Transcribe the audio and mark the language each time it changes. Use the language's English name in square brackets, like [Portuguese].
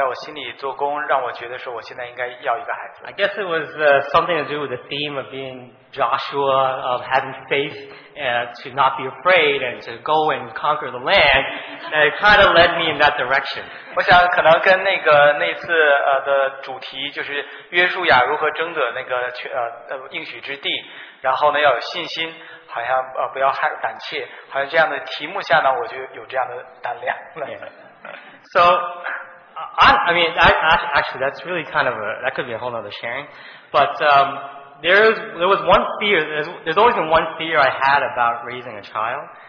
[Chinese] 我没有在那个分享，但是在那一次旅行的时候，主在我心里做工，让我觉得说我现在应该要一个孩子。 [English] I guess it was something to do with the theme of being Joshua, of having faith to not be afraid and to go and conquer the land, and it kind of led me in that direction. [Chinese] 我想可能跟那个那次的主题就是约书亚如何争得那个应许之地，然后呢要有信心，好像不要害胆怯，好像这样的题目下呢，我就有这样的胆量。 [English] So I mean, actually, that's really kind of that could be a whole other sharing, but There was one fear. There's always been one fear I had about raising a child.